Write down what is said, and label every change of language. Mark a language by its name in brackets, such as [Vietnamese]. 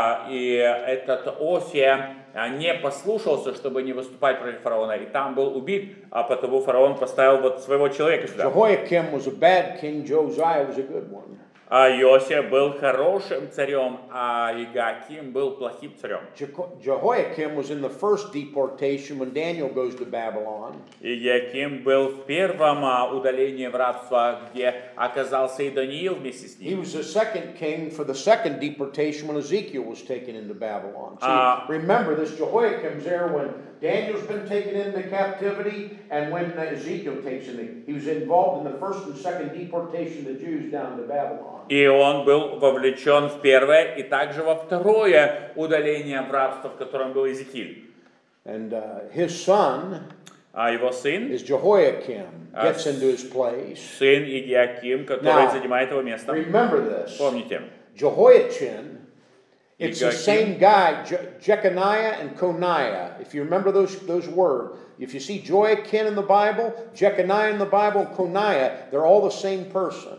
[Russian] И этот Осия не послушался, чтобы не выступать против фараона, и там был убит, а потому фараон поставил вот своего человека сюда. [English] Jehoiakim was a bad king, Josiah was a good one. [Russian] А Иосия был хорошим царем, а Иоаким был плохим царем. [English] Jehoiakim was in the first deportation when Daniel goes to Babylon. [Russian] Иоаким был в первом удалении в рабство, где оказался и Даниил вместе с ним. [English] He was the second king for the second deportation when Ezekiel was taken into Babylon. So remember this, Jehoiakim's there when Daniel's been taken into captivity and when Ezekiel takes him. He was involved in the first and second deportation of the Jews down to Babylon. [Russian] И он был вовлечен в первое и также во второе удаление в рабство, в котором был Иезекииль. [English] And his son, [Russian] его сын, [English] is Jehoiakim, gets into his place. [Russian] Сын Иоаким, который занимает его место. [English] Remember this. [Russian] Помните. [English] Jehoiachin, it's the same guy, Jeconiah and Coniah. If you remember those words, if you see Jehoiachin in the Bible, Jeconiah in the Bible, Coniah, they're all the same person.